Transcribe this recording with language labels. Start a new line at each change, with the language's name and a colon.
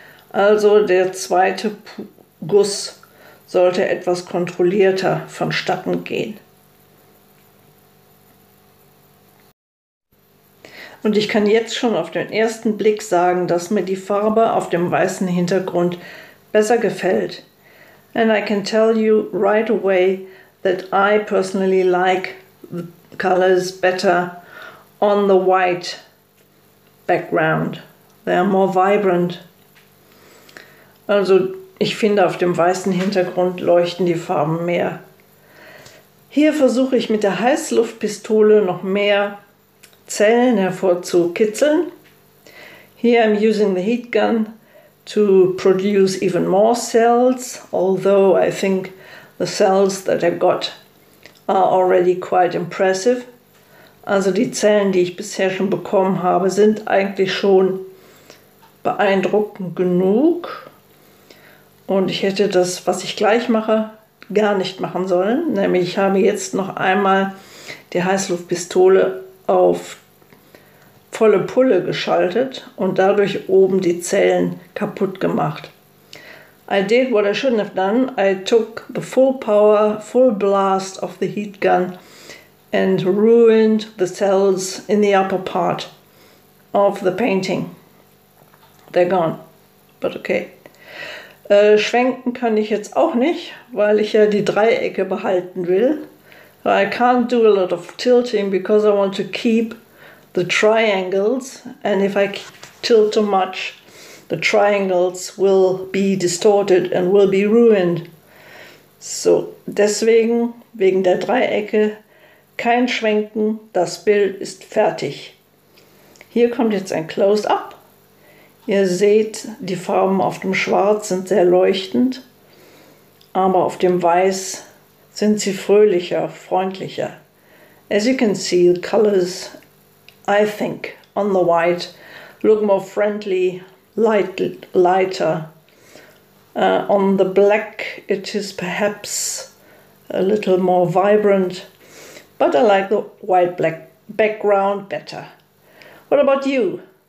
German: Also der zweite Guss sollte etwas kontrollierter vonstatten gehen. Und ich kann jetzt schon auf den ersten Blick sagen, dass mir die Farbe auf dem weißen Hintergrund besser gefällt.
English: And I can tell you right away that I personally like the colors better on the white background. They are more vibrant.
German: Also ich finde, auf dem weißen Hintergrund leuchten die Farben mehr. Hier versuche ich mit der Heißluftpistole noch mehr Zellen hervorzukitzeln.
English: Here I'm using the heat gun to produce even more cells, although I think the cells that I've got are already quite impressive.
German: Also die Zellen, die ich bisher schon bekommen habe, sind eigentlich schon beeindruckend genug. Und ich hätte das, was ich gleich mache, gar nicht machen sollen. Nämlich, ich habe jetzt noch einmal die Heißluftpistole auf volle Pulle geschaltet und dadurch oben die Zellen kaputt gemacht.
English: I did what I shouldn't have done. I took the full power, full blast of the heat gun and ruined the cells in the upper part of the painting. They're gone, but okay.
German: Schwenken kann ich jetzt auch nicht, weil ich ja die Dreiecke behalten will.
English: I can't do a lot of tilting because I want to keep the triangles, and if I tilt too much, the triangles will be distorted and will be ruined.
German: So, deswegen, wegen der Dreiecke, kein Schwenken, das Bild ist fertig. Hier kommt jetzt ein Close-up. Ihr seht, die Farben auf dem Schwarz sind sehr leuchtend, aber auf dem Weiß sind sie fröhlicher, freundlicher.
English: As you can see, the colors, I think, on the white look more friendly, lighter. On the black, it is perhaps a little more vibrant, but I like the white-black background better. What about you?